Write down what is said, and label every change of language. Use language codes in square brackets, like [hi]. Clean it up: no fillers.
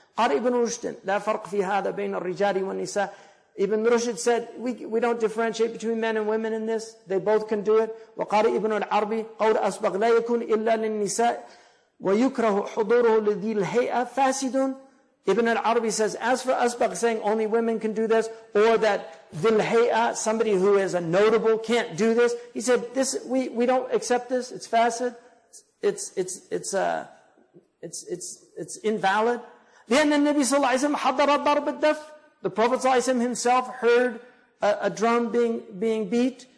[ar] قال ابن رشد لا فرق في هذا بين الرجال والنساء. [en] Ibn Rushd said we don't differentiate between men and women in this. They both can do it. [ar] وقال ابن العربي قول أسبغ لا يكون إلا للنساء ويكره حضوره لذي الهيئة فاسد. [en] Ibn al-Arabi says, as for Asbagh saying only women can do this, or that dhilhay'a, somebody who is a notable, can't do this, he said, this we don't accept this, it's fasid, it's invalid. Then the Nabi sallallahu alayhi wa sallam haddara ad-darb ad-daf, the Prophet sallallahu alayhi wa sallam himself heard a drum being beat.